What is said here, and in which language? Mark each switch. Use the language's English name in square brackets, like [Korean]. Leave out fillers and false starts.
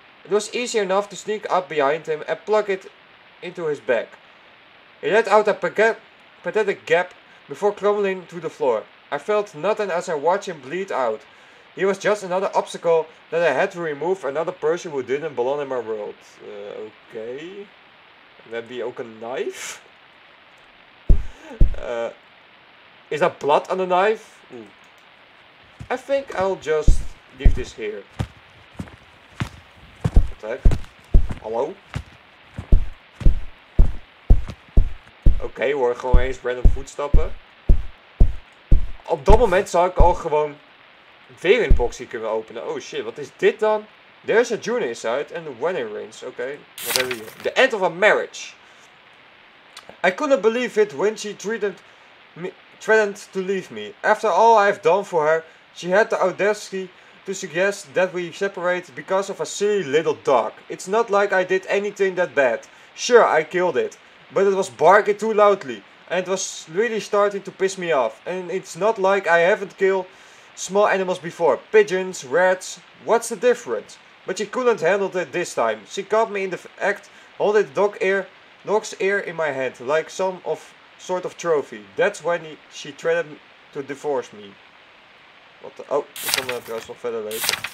[English] It was easy enough to sneak up behind him and plug it into his back. He let out a pathetic gap before crumbling to the floor. I felt nothing as I watched him bleed out. He was just another obstacle that I had to remove. Another person who didn't belong in my world. [Dutch] Oké. We hebben hier ook een knife. [English] Is dat blood on the knife? I think I'll just leave this here. What the heck? Hallo? [Dutch] Oké, hoor, gewoon eens random voetstappen. Op dat moment zou ik al gewoon weer een box hier kunnen openen. Oh shit, wat is dit dan? [English] There's a June inside and the wedding rings. Oké, [Dutch] wat hebben we hier? [English] The end of a marriage. I couldn't believe it when she threatened to leave me. After all I've done for her, she had the audacity to suggest that we separate because of a silly little dog. It's not like I did anything that bad. Sure, I killed it. But it was barking too loudly. And it was really starting to piss me off. And it's not like I haven't killed small animals before. Pigeons, rats, what's the difference? But she couldn't handle it this time. She caught me in the act, holding the dog's ear in my hand, like some of sort of trophy. That's when she threatened to divorce me. [Dutch] What the, oh, ik kan het trouwens nog verder lezen.